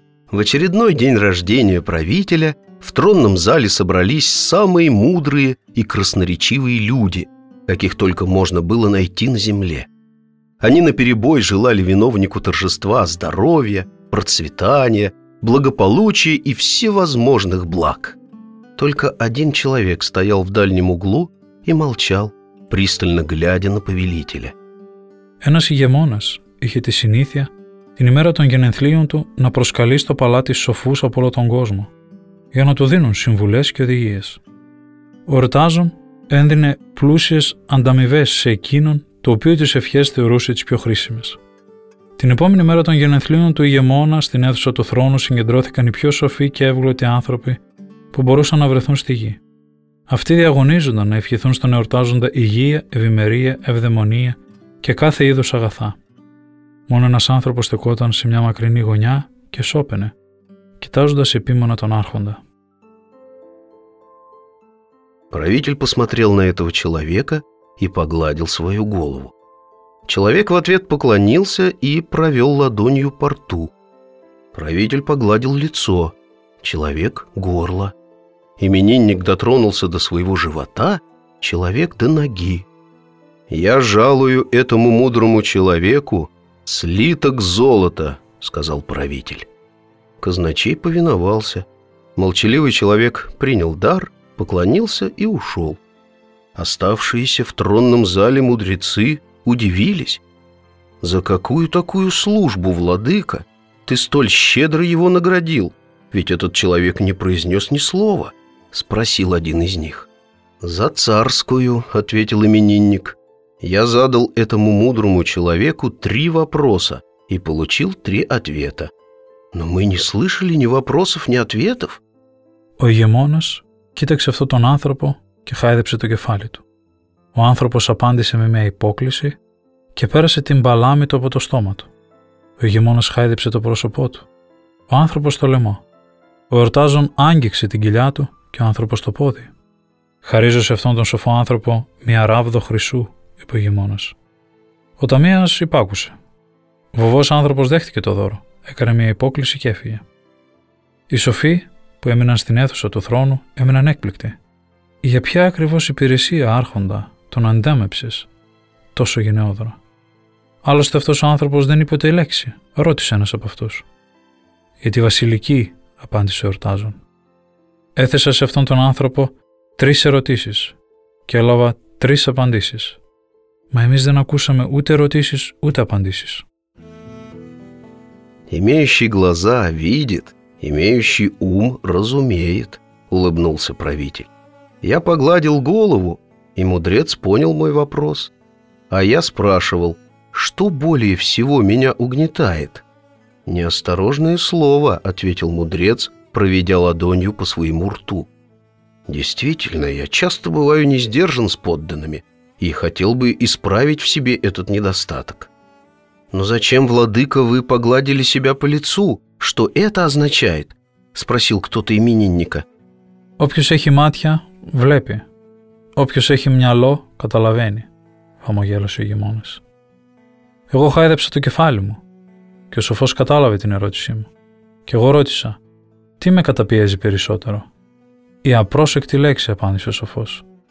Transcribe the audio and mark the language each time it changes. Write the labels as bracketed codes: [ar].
[ru] В очередной день рождения правителя в тронном зале собрались самые мудрые и красноречивые люди, каких только можно было найти на земле. Они наперебой желали виновнику торжества здоровья, процветания, благополучия и всевозможных благ. Только один человек стоял в дальнем углу и молчал, пристально глядя на повелителя. [el] Ένας ηγεμόνας είχε τη συνήθεια την ημέρα των γενεθλίων του να προσκαλεί στο παλάτι σοφούς από όλο τον κόσμο για να του δίνουν συμβουλές και οδηγίες. Ο Ερτάζον έδινε πλούσιες ανταμοιβές σε εκείνον το οποίο τις ευχές θεωρούσε τις πιο χρήσιμες. Την επόμενη μέρα των γενεθλίων του ηγεμόνα στην αίθουσα του θρόνου συγκεντρώθηκαν οι πιο σοφοί και εύγλωτοι άνθρωποι που μπορούσαν να βρεθούν στη γη. Αυτοί διαγωνίζονταν να ευχηθούν στον εορτάζοντα υγεία, ευημερία, ευδαιμονία και κάθε είδους αγαθά. Μόνο ένας άνθρωπος στεκόταν σε μια μακρινή γωνιά και σώπαινε, κοιτάζοντας επίμονα τον άρχοντα. [ru] Правитель посмотрел на этого человека и погладил свою голову. Человек в ответ поклонился и провел ладонью по рту. Правитель погладил лицо, человек — горло. Именинник дотронулся до своего живота, человек — до ноги. «Я жалую этому мудрому человеку слиток золота», — сказал правитель. Казначей повиновался. Молчаливый человек принял дар, поклонился и ушел. Оставшиеся в тронном зале мудрецы удивились. «За какую такую службу, владыка, ты столь щедро его наградил? Ведь этот человек не произнес ни слова», — спросил один из них. «За царскую», — ответил именинник. «Я задал этому мудрому человеку три вопроса и получил три ответа. Но мы не слышали ни вопросов, ни ответов». [el] Ο ηγεμόνας κοίταξε αυτόν τον άνθρωπο και χάιδεψε το κεφάλι του. Ο άνθρωπος απάντησε με μια υπόκληση και πέρασε την παλάμη του από το στόμα του. Ο ηγεμόνας χάιδεψε το πρόσωπό του, ο άνθρωπος το λαιμό. Ο εορτάζον άγγιξε την κοιλιά του και ο άνθρωπος το πόδι. «Χαρίζω σε αυτόν τον σοφό άνθρωπο μια ράβδο χρυσού», είπε ο ηγεμόνας. Ο ταμείας υπάκουσε. Βοβός άνθρωπος δέχτηκε το δώρο, έκανε μια υπόκληση και έφυγε. Οι σοφοί που έμειναν στην αίθουσα του θρόνου έμειναν έκπληκτοι. Για ποια ακριβώς υπηρεσία, άρχοντα, τον αντέμεψες τόσο γενναιόδωρο? Άλλωστε αυτός ο άνθρωπος δεν είπε ούτε λέξη, ρώτησε ένας από αυτούς. «Για τη βασιλική», απάντησε ο εορτάζον. «Έθεσα σε αυτόν τον άνθρωπο τρεις ερωτήσεις και έλαβα τρεις απαντήσεις. Μα εμείς δεν ακούσαμε ούτε ερωτήσεις ούτε απαντήσεις». [ru] «Имеющий глаза видит, имеющий ум разумеет», улыбнулся правитель. «Я погладил голову, и мудрец понял мой вопрос. А я спрашивал, что более всего меня угнетает?» «Неосторожное слово», — ответил мудрец, проведя ладонью по своему рту. «Действительно, я часто бываю не сдержан с подданными и хотел бы исправить в себе этот недостаток». «Но зачем, владыка, вы погладили себя по лицу? Что это означает?» — спросил кто-то именинника. [el] «Опьюс эхи матья». «Βλέπει. Όποιος έχει μυαλό, καταλαβαίνει», χαμογέλασε ο ηγεμόνας. «Εγώ χάιδεψα το κεφάλι μου και ο σοφός κατάλαβε την ερώτησή μου. Και εγώ ρώτησα, τι με καταπιέζει περισσότερο?» «Η απρόσεκτη λέξη», απάντησε ο σοφός.